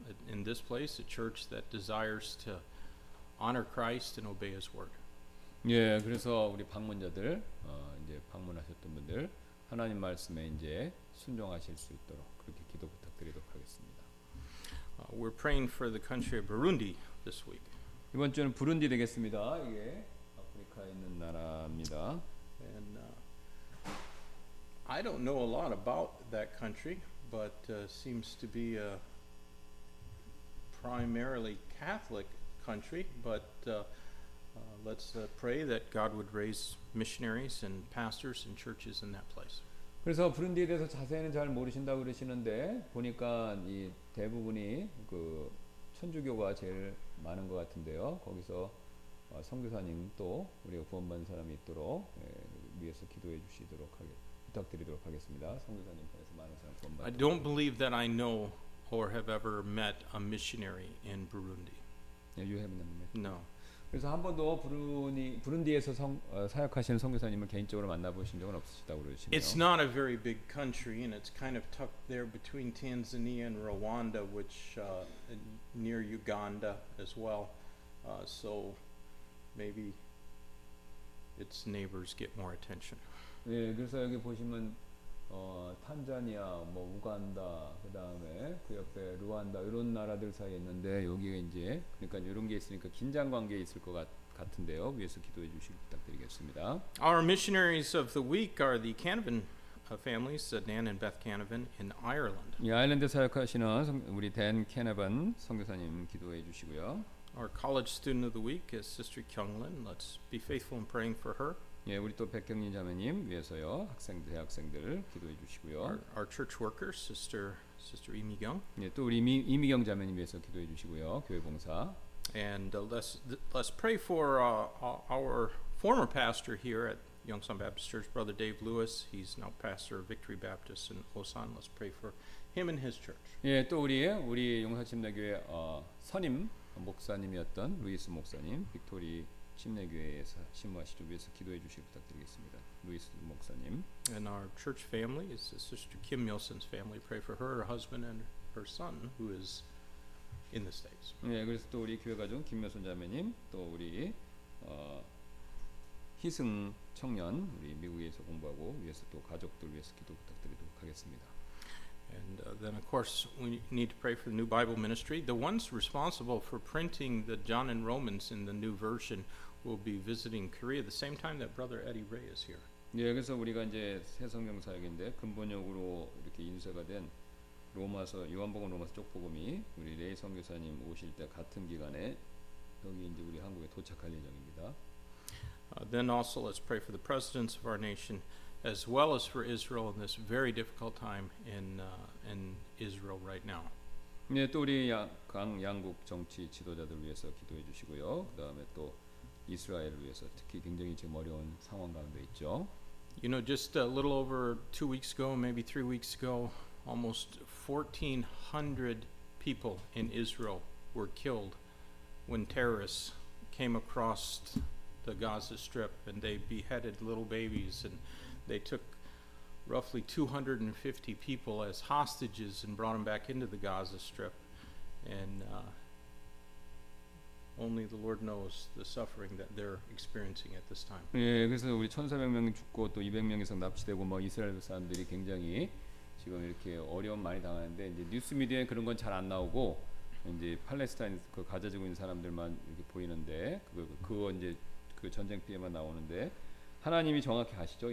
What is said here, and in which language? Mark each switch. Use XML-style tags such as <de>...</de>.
<en>In this place, a church that desires to honor Christ and obey His word.</en> <ko>예, 그래서 우리 방문자들 이제 방문하셨던 분들 하나님 말씀에 이제 순종하실 수 있도록 그렇게 기도 부탁드리도록 하겠습니다.</ko> <en>We're praying for the country of Burundi this week.</en> <ko>이번 주는 부룬디 되겠습니다. 이게 아프리카에 있는 나라입니다.</ko> <en>And I don't know a lot about that country, but seems to be a primarily Catholic country, but let's pray that God would raise missionaries and pastors and churches in that place.</en> <ko>그래서 부룬디에 대해서 자세히는 잘 모르신다고 그러시는데 보니까 이 대부분이 그 천주교가 제일 많은 것 같은데요. 거기서 선교사님 또 우리가 구원받은 사람이 있도록 위해서 기도해 주시도록 부탁드리도록 하겠습니다. 선교사님 통해서 많은 사람 구원받도록.</ko> <en>I don't believe that I know or have ever met a missionary in Burundi. Yeah, you haven't met. No.</en> <ko>그래서 한 번도 부룬디에서 사역하시는 선교사님을 개인적으로 만나보신 적은 없으시다고 그러시네요.</ko> <en>It's not a very big country, and it's kind of tucked there between Tanzania and Rwanda, which near Uganda as well. So maybe its neighbors get more attention.</en> <ko>네, 그래서 여기 보시면. 탄자니아, 뭐 우간다, 그 다음에 그 옆에 루안다 이런 나라들 사이에 있는데 여기에 이제 그러니까 이런 게 있으니까 긴장 관계 있을 것 같은데요. 위에서 기도해 주시기 부탁드리겠습니다.</ko> <en>Our missionaries of the week are the Canavan families, Dan and Beth Canavan in Ireland.</en> <ko>이 아일랜드 사역하시는 우리 댄 캐나반 선교사님 기도해 주시고요.</ko> <en>Our college student of the week is Sister Kyunglin. Let's be faithful in praying for her.</en> <ko>예, 우리 또 백경민 자매님 위해서요. 학생들, 대학생들 기도해 주시고요.</ko> <en>Our church worker, Sister 이미경.</en> <ko>예, 또 우리 이미경 자매님 위해서 기도해 주시고요. 교회 봉사.</ko> <en>And let's pray for our former pastor here at Yongsan Baptist Church, Brother Dave Lewis. He's now pastor of Victory Baptist in Osan. Let's pray for him and his church.</en> <ko>예, 또 우리 용산침례교회 선임 목사님이었던 루이스 목사님, 빅토리 침례교회에서 신부하시죠. 위해서 기도해 주시기 부탁드리겠습니다. 루이스 목사님.</ko> <en>And our church family is Sister Kim Milson's family. Pray for her husband and her son who is in the States.</en> <ko>네, 그래서 또 우리 교회 가족 김여선 자매님, 또 우리 희승 청년, 우리 미국에서 공부하고 위해서 또 가족들 위해서 기도 부탁드리도록 하겠습니다.</ko> <en>And then, of course, we need to pray for the new Bible ministry. The ones responsible for printing the John and Romans in the new version will be visiting Korea the same time that Brother Eddie Ray is here.</en> <ko>예, 그래서 우리가 이제 새 성경 사역인데 근본역으로 이렇게 인쇄가 된 로마서 요한복음 로마서 쪽복음이 우리 레이 선교사님 오실 때 같은 기간에 여기 이제 우리 한국에 도착할 예정입니다.</ko> <en>Then also let's pray for the presidents of our nation, as well as for Israel in this very difficult time in Israel right now.</en> <ko>네, 또 우리 양국 정치 지도자들 위해서 기도해 주시고요. 그 다음에 또 이스라엘을 위해서 특히 굉장히 지금 어려운 상황 가운데 있죠.</ko> <en>You know, just a little over 2 weeks ago, maybe 3 weeks ago, almost 1,400 people in Israel were killed when terrorists came across the Gaza Strip and they beheaded little babies and they took roughly 250 people as hostages and brought them back into the Gaza Strip. And only the Lord knows the suffering that they're experiencing at this time.</en> <ko>예, 그래서 우리 1,400명 죽고 또 200명 이상 납치되고 뭐 이스라엘 사람들이 굉장히 지금 이렇게 어려움 많이 당하는데 이제 뉴스 미디어에 그런 건 잘 안 나오고 이제 팔레스타인 그 가자 지구인 사람들만 이렇게 보이는데 그 이제 그 전쟁 피해만 나오는데 하나님이 정확히 아시죠?</ko>